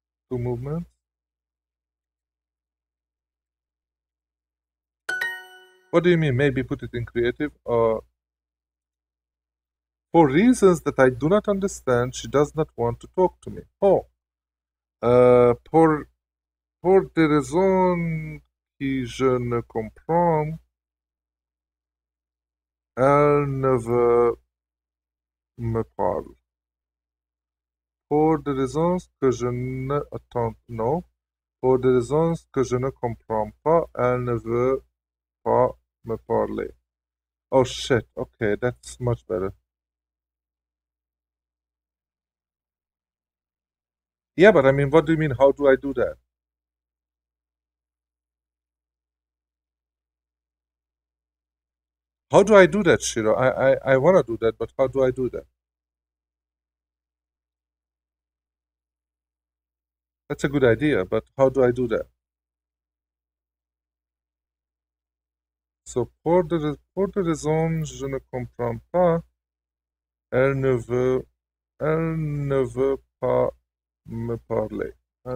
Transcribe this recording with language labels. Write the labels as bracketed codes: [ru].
[en] Two movements? What do you mean, maybe put it in creative? For reasons that I do not understand, she does not want to talk to me. Oh. [fr] Pour des raisons que je ne comprends, elle ne veut me parle. Pour des raisons que je ne attends, non. Pour des raisons que je ne comprends pas, elle ne veut pas me parler. [en] Oh shit, okay, that's much better. Yeah, but I mean, what do you mean? How do I do that? How do I do that, Shiro? I want to do that, but how do I do that? That's a good idea, but how do I do that? [fr] So, pour des raisons je ne comprends pas, elle ne veut pas me parler, [en] right?